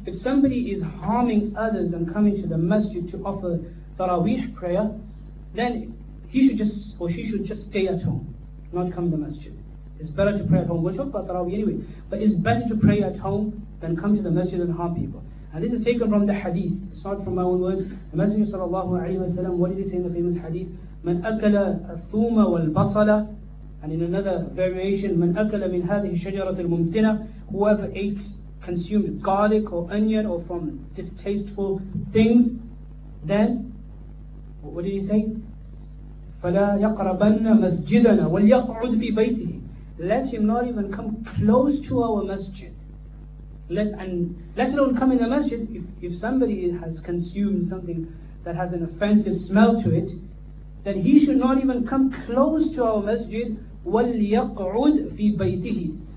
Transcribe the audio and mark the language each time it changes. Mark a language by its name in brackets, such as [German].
[English] If somebody is harming others and coming to the masjid to offer Taraweeh prayer, then he should just, or she should just stay at home, not come to the masjid. It's better to pray at home. We'll talk about Taraweeh anyway. But it's better to pray at home than come to the masjid and harm people. And this is taken from the hadith. It's not from my own words. The Messenger sallallahu alayhi wa sallam, what did he say in the famous hadith? [Arabic] من أكل الثوم والبصلة. [English] And in another variation, [Arabic] من أكل من هذه الشجرة الممتنة. [English] Whoever ate, consumed garlic or onion or from distasteful things, then what did he say? [Arabic] فلا يقربن مسجدنا وليقعد في بيته. [English] Let him not even come close to our masjid. Let alone come in the masjid. If somebody has consumed something that has an offensive smell to it, then he should not even come close to our masjid. [Arabic] وَلْيَقْعُدْ فِي بَيْتِهِ.